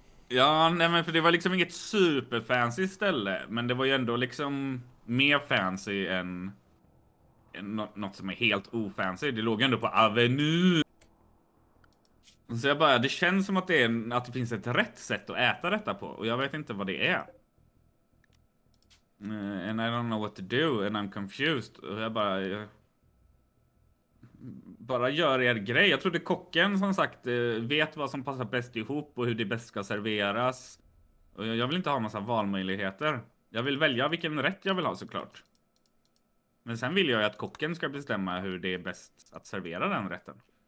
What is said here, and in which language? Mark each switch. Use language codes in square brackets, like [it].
[sv] Ja, nej, men för det var liksom inget superfancy ställe, men det var ju ändå liksom mer fancy än något som är helt ofancy. Det låg ändå på Avenue. Så jag bara, det känns som att det är att det finns ett rätt sätt att äta detta på, och jag vet inte vad det är. [en] And I don't know what to do, and I'm confused. [sv] Och jag bara, bara gör er grej. Jag trodde kocken som sagt vet vad som passar bäst ihop och hur det bäst ska serveras. Och jag vill inte ha massa valmöjligheter. Jag vill välja vilken rätt jag vill ha såklart. Men sen vill jag ju att kocken ska bestämma hur det är bäst att servera den rätten.